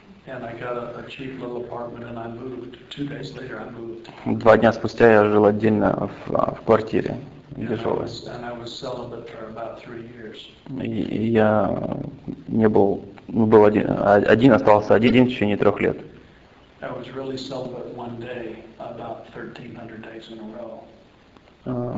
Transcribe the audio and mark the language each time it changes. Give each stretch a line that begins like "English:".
English: And I got a cheap little apartment and I moved. 2 days later I moved.
Russian: 2 дня спустя я жил отдельно в квартире. дешевые.
English: And I was celibate for about 3 years.
Russian: Я не был, был один, один остался один в течение 3 лет.
English: I was really celibate one day, about 1300 days in a row.